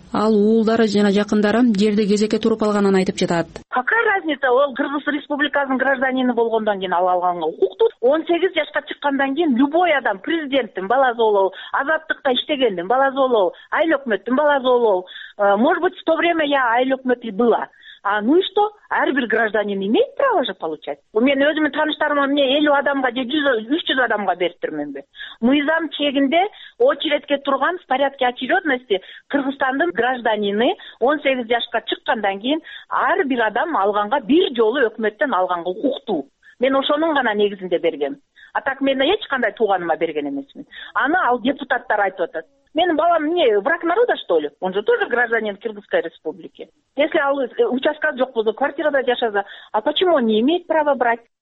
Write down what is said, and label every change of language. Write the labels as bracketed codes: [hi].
[ky] Ал уулдары жана жакындарын жерди кезекке туруп алганын айтып жатат. [ru] Какая разница, [ky] ал Кыргыз Республикасынын гражданини болгондон кийин ал алган укукту 18 жашка чыккандан кийин любой адам президенттин баласы болобу, азаттыкта иштегендин баласы болобу, айыл өкмөттүн баласы болобу, [ru] может быть, в то время я [ky] айыл өкмөтү [ru] была. А ну и что? [ky] Ар бир [ru] гражданин имеет право же получать. У меня [ky] өзүмдүн тааныштарыма мен 50 адамга же 300 адамга берип турмунбу? Мыйзам чегинде очередке турган [ru] в порядке очередности [ky] Кыргызстандын гражданини 18 жашка чыккандан кийин ар бир адам алганга бир жолу өкмөттөн алганга укуктуу. Мен ошонун гана негизинде бергем. А так мен эч кандай тууганыма берген эмесмин. Аны ал депутаттар айтып атат. Менин балам эмне [ru] враг народа что ли? Он же тоже гражданин Кыргызской Республики. Если [ky] ал [ru] участка [ky] жок болсо, квартирада жашаса, [ru] а почему он не имеет права брать?